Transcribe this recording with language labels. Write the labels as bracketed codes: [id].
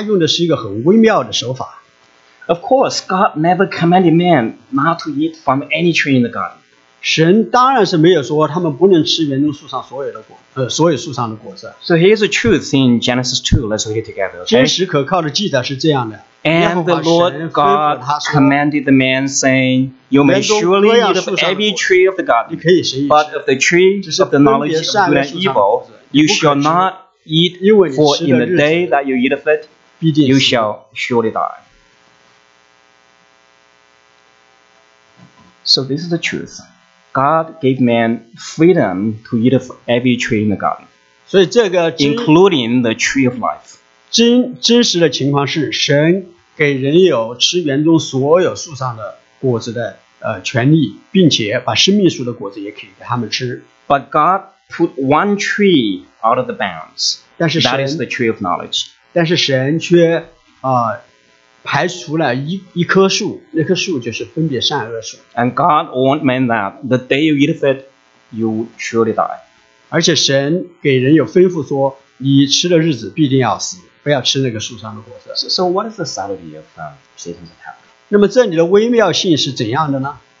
[zh] 我们可以看见蛇在这里攻击神的话语的真实可信的时候，他用的是一个很微妙的手法。 [en] Of course, God never commanded man not to eat from any tree in the garden. [zh] 神当然是没有说他们不能吃园中树上所有的果，所有树上的果子。 [en] So here's the truth in Genesis 2. Let's read it together. [zh] 真实可靠的记载是这样的。 [en] And the Lord God commanded the man, saying, "You may surely eat of every tree of the garden, but of the tree of the knowledge of good and evil, you shall not eat, for in the day that you eat of it, you shall surely die." So this is the truth. God gave man freedom to eat of every tree in the garden, including the tree of life. [zh] 真实的情况是神给人有吃园中所有树上的果子的权利，并且把生命树的果子也可以给他们吃。 [en] But God put one tree out of the bounds. [zh] 但是神 [en] That is the tree of knowledge. [zh] 但是神却排除了一棵树，那棵树就是分别善恶树。 [en] And God warned man that the day you eat of it, you surely die. [zh] 而且神给人有吩咐说，你吃的日子必定要死。不要吃那个树上的果子。 [en] So what is the subtlety of Satan's attack? [zh] 那么这里的微妙性是怎样的呢？